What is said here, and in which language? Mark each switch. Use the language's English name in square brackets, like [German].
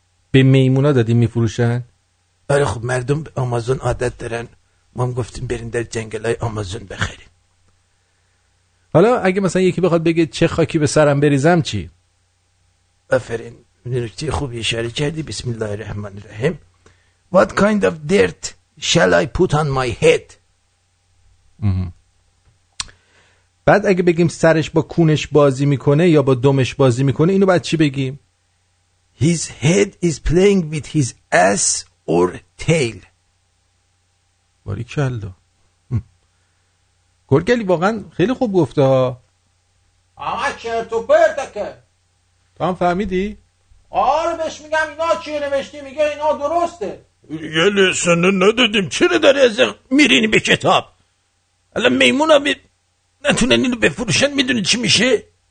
[Persian] به میمونا دادیم میفروشن؟ آره خب مردم به آمازون عادت دارن، ما هم گفتیم برین در جنگلای آمازون بخریم. حالا اگه مثلا یکی بخواد بگه چه خاکی به سرم بریزم چی؟ آفرین، نکته خوبی اشاره کردی. بسم الله الرحمن الرحیم. [English] What kind of dirt shall I put on my head؟ [Persian] بعد اگه بگیم سرش با کونش بازی میکنه یا با دمش بازی میکنه، اینو بعد چی بگیم؟ [English] His head is playing with his ass or tail. [Persian] باریکلا گرگلی واقعا خیلی خوب گفته ها. اما چرت و پرت که تو هم فهمیدی؟ آره بهش میگم اینا چیه نوشتی، میگه اینا درسته. یه لسنه ندادیم، چرا داری از اخ میرینی به کتاب؟ الان میمون ها نتونن اینو بفروشن، میدونی چی میشه؟